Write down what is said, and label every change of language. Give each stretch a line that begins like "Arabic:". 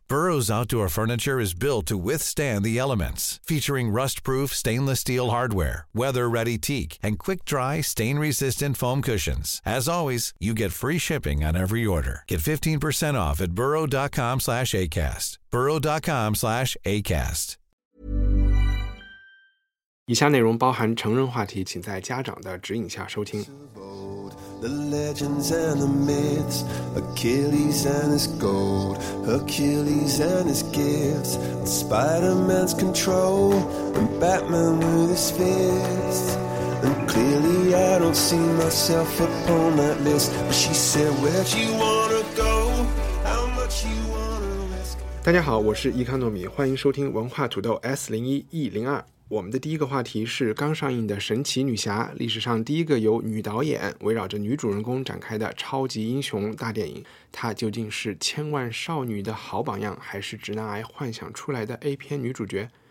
English: Burrow's outdoor furniture is built to withstand the elements, featuring rust-proof stainless steel hardware, weather-ready teak, and quick-dry stain-resistant foam cushions. As always, you get free shipping on every order. Get 15% off at burrow.com/acast. burrow.com/acast.
Chinese: 以下内容包含成人话题，请在家长的指引下收听。
English: The legends and the myths, Achilles and his gold, Achilles and his gifts, and Spider-Man's control, and Batman with his fists. And clearly I don't see myself upon that list, but she said, where'd you wanna go? How much you wanna risk?
Chinese: 大家好，我是伊康诺米，欢迎收听文化土豆 S01E02。我们的第一个话题是刚上映的神奇女侠，历史上第一个由女导演围绕着女主人公展开的超级英雄大电影。她究竟是千万少女的好榜样，还是直男癌幻想出来的 A 片女主角？